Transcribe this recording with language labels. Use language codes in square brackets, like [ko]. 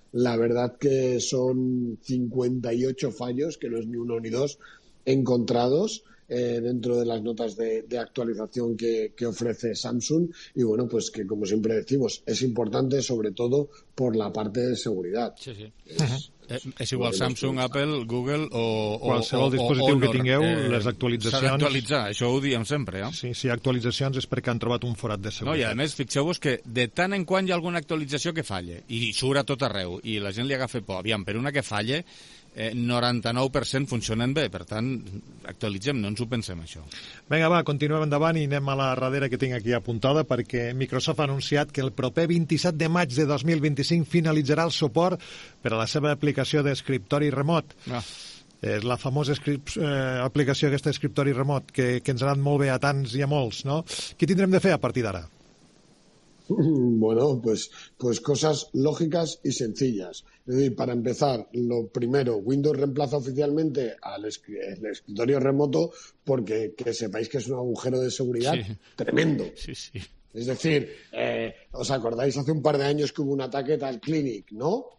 [es] La verdad que son 58 fallos, que no es ni uno ni dos, encontrados dentro de las notas de actualización que ofrece Samsung. Y bueno, pues que como siempre decimos, es importante sobre todo por la parte de seguridad. [ca] Sí, sí. És igual Samsung, Apple, Google o qualsevol dispositiu que tingueu, les actualitzacions... S'ha d'actualitzar, això ho diem sempre, eh? Sí, si hi ha actualitzacions és perquè han trobat un forat de seguretat. No, i a més, fixeu-vos que de tant en quant hi ha alguna actualització que falla i surt a tot arreu i la gent li agafa por. Aviam, per una que falla, 99% funcionen bé. Per tant, actualitzem, no ens ho pensem, això. Vinga, va, continuem endavant i anem a la darrera que tinc aquí apuntada, perquè Microsoft ha anunciat que el proper 27 de maig de 2025 finalitzarà el suport per a la seva aplicació d'escriptori remot. És la famosa aplicació aquesta d'escriptori remot, que ens ha anat molt bé a tants i a molts, no? Què tindrem de fer a partir d'ara? [es] Bueno, pues cosas lógicas y sencillas. Es decir, para empezar, lo primero, Windows reemplaza oficialmente al escritorio remoto porque que sepáis que es un agujero de seguridad tremendo. Sí, sí. Es decir, ¿os acordáis hace un par de años que hubo un ataque al Clinic, no?